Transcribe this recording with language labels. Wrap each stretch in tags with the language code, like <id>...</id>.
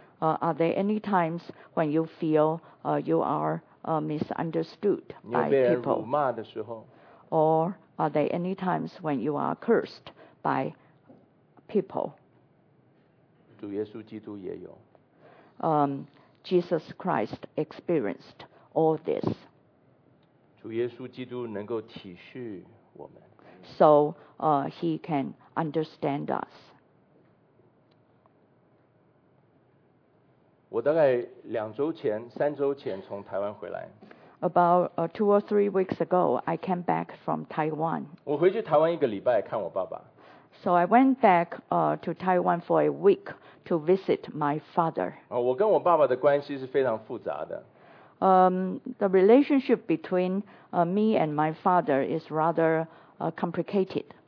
<en>Are there any times when you feel you are misunderstood by people?</en> <zh>你有被人辱骂的时候？</zh> <en>Or are there any times when you are cursed by people?</en> <zh>主耶稣基督也有。</zh> <en>Jesus Christ experienced all this.</en> <zh>主耶稣基督能够体恤我们。</zh> <en>so he can understand us.</en> <zh>我大概两周前、三周前从台湾回来。</zh> <en>About two or three weeks ago, I came back from Taiwan.</en> <zh>我回去台湾一个礼拜看我爸爸。</zh> <en>So I went back to Taiwan for a week to visit my father.</en> <zh>我跟我爸爸的关系是非常复杂的。</zh> <en>The relationship between me and my father is rather complicated.</en>